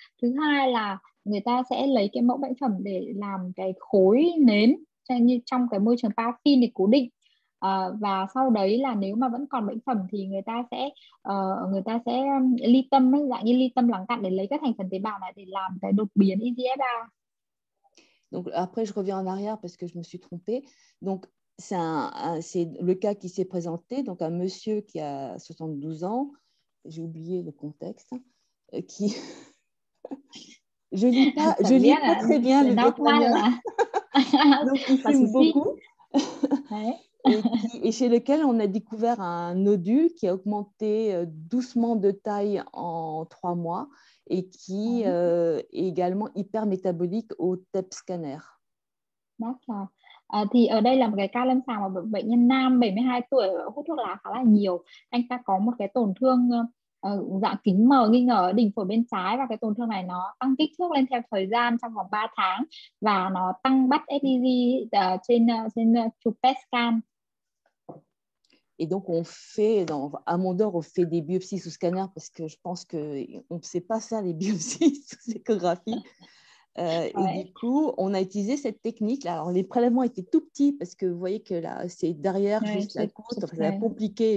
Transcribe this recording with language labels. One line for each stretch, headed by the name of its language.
Vietnamese: Thứ hai là người ta sẽ lấy cái mẫu bệnh phẩm để làm cái khối nến như trong cái môi trường paraffin để cố định. Và sau đấy là nếu mà vẫn còn bệnh phẩm thì người ta sẽ ly tâm ấy, dạng như ly tâm lắng cặn để lấy các thành phần tế bào này để làm cái đột biến EGFR.
French: Donc après je reviens en arrière parce que je me suis trompée. Donc c'est le cas qui s'est présenté, donc un monsieur qui a 72 ans, j'ai oublié le contexte, qui je lis pas très bien le document. Donc il fume beaucoup. Et chez lequel on a découvert un nodule qui a augmenté doucement de taille en 3 mois et qui est également hyper métabolique au TEP scanner. D'accord.
Vietnamese: Thì ở đây là một cái ca lâm sàng của bệnh nhân nam 72 tuổi hút thuốc lá khá là nhiều. Anh ta có một cái tổn thương dạng kính mờ nghi ngờ ở đỉnh phổi bên trái và cái tổn thương này nó tăng kích thước lên theo thời gian trong vòng 3 tháng và nó tăng bắt SDG trên chụp PET scan.
French: Et donc, on fait, à Mondor, on fait des biopsies sous scanner parce que je pense qu'on ne sait pas faire les biopsies sous échographie. Et du coup, on a utilisé cette technique-là. Alors, les prélèvements étaient tout petits parce que vous voyez que là, c'est derrière juste la côte. Enfin, c'est compliqué.